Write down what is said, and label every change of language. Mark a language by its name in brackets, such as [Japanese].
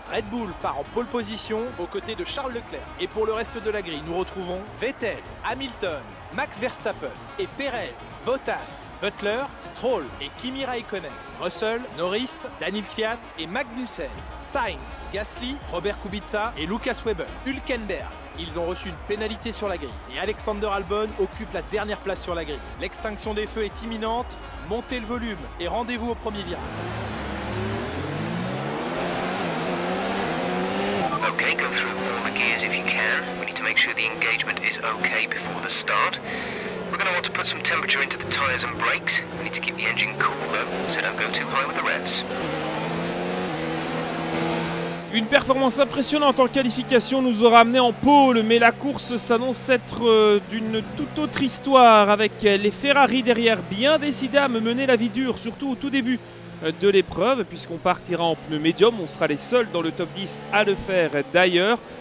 [French] Red Bull part en pole position aux côtés de Charles Leclerc. Et pour le reste de la grille, nous retrouvons Vettel, Hamilton, Max Verstappen et Perez, Bottas, Butler, Stroll et Kimi Raikkonen, Russell, Norris, Daniel Kvyat et Magnussen, Sainz, Gasly, Robert Kubica et Lucas Webber, Hülkenberg. Ils ont reçu une pénalité sur la grille. Et Alexander Albon occupe la dernière place sur la grille. L'extinction des feux est imminente. Montez le volume et rendez-vous au premier virage. [English] Ok, go through all the gears if you can. We need to make sure the engagement is ok before the start. We're going to want to put some temperature into the tires and brakes. We need to keep the engine cool though, so don't go too high with the revs. [French] Une performance impressionnante en qualification nous aura amené en pôle, mais la course s'annonce être d'une toute autre histoire, avec les Ferrari derrière bien décidés à me mener la vie dure, surtout au tout début de l'épreuve, puisqu'on partira en pneu médium, on sera les seuls dans le top 10 à le faire d'ailleurs.